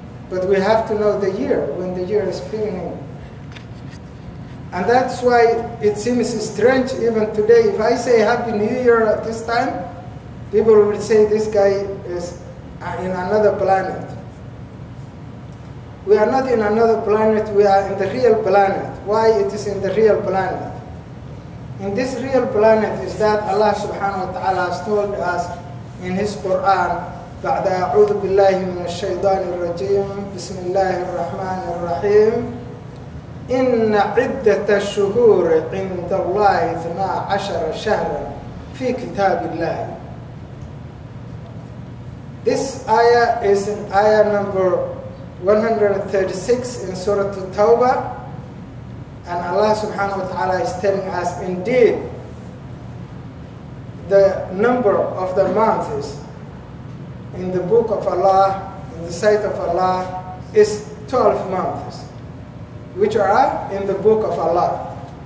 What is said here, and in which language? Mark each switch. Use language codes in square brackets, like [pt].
[en] But we have to know the year, when the year is beginning. And that's why it seems strange even today. If I say Happy New Year at this time, people will say this guy is in another planet. We are not in another planet, we are in the real planet. Why it is in the real planet? In this real planet is that Allah subhanahu wa ta'ala has told us in His Qur'an, [ar] بَعْدَ أَعُوذُ بِاللَّهِ مِنَ الشَّيْطَانِ الرَّجِيمِ بِسْمِ اللَّهِ الرَّحْمَنِ الرَّحِيمِ إِنَّ عِدَّةَ الشُّهُورِ عِنْدَ اللَّهِ 12 شَهْرًا فِي كِتَابِ اللَّهِ. [en] This ayah is in ayah number 136 in Surah Tawbah, and Allah subhanahu wa ta'ala is telling us indeed the number of the months in the book of Allah, in the sight of Allah, is 12 months, which are in the book of Allah.